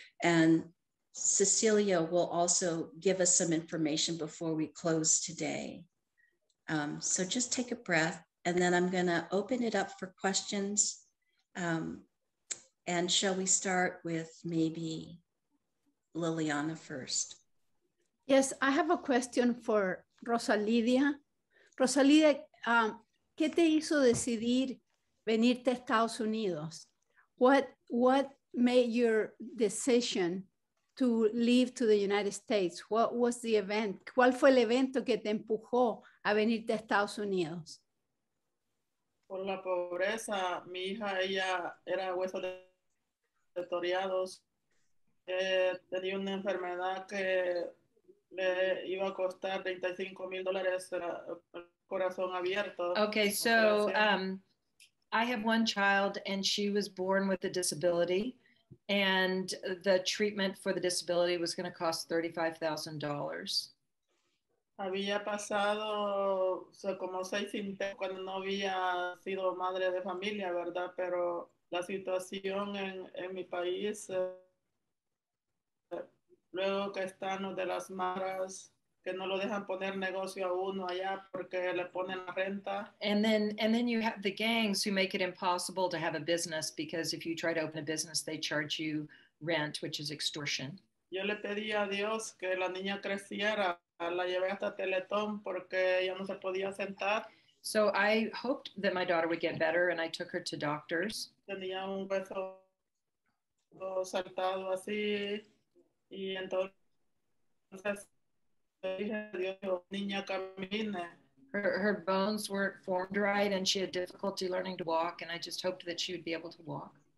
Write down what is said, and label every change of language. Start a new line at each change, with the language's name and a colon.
English: And Cecilia will also give us some information before we close today. So just take a breath, and then I'm going to open it up for questions. And shall we start with maybe Liliana first? Yes, I have a question for Rosalidia.
Spanish: Rosalidia, ¿qué te hizo decidir venirte a Estados Unidos?
English: What made your decision to leave to the United States? What was the event?
Spanish: ¿Cuál fue el evento que te empujó a venirte a Estados Unidos? Por la pobreza, mi hija, ella era hueso de toreados. Tenía una enfermedad que le iba a costar $35,000 corazón abierto.
English: Okay, so I have one child and she was born with a disability. And the treatment for the disability was going to cost $35,000.
Spanish: Había pasado como seis intentos cuando no había sido madre de familia, ¿verdad? Pero la situación en mi país, luego que están los de las maras, que no lo dejan poner negocio a uno allá porque le ponen la renta.
English: And then you have the gangs who make it impossible to have a business because if you try to open a business, they charge you rent, which is extortion.
Spanish: Yo le pedí a Dios que la niña creciera. La llevé hasta Teletón porque ella no se podía sentar.
English: So I hoped that my daughter would get better and I took her to doctors.
Spanish: Tenía un hueso saltado así y entonces...
English: Her bones weren't formed right and she had difficulty learning to walk and I just hoped that she would be able to walk.